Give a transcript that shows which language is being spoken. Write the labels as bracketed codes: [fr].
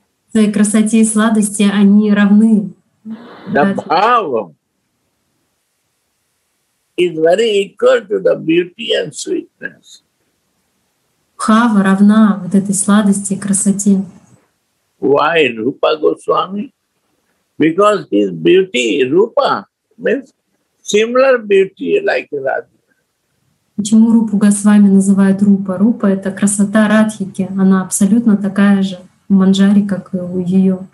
[ru] Своей красоте и сладости они равны. [en] The bhava is very equal to the beauty and sweetness. [ru] Бхава равна вот этой сладости и красоте. [en] Why Rupa Goswami? Because his beauty, Rupa, means similar beauty like Radhika. [ru] Почему Рупу Госвами называют Рупа? Рупа — это красота Радхики. Она абсолютно такая же у Манджари, как и у ее.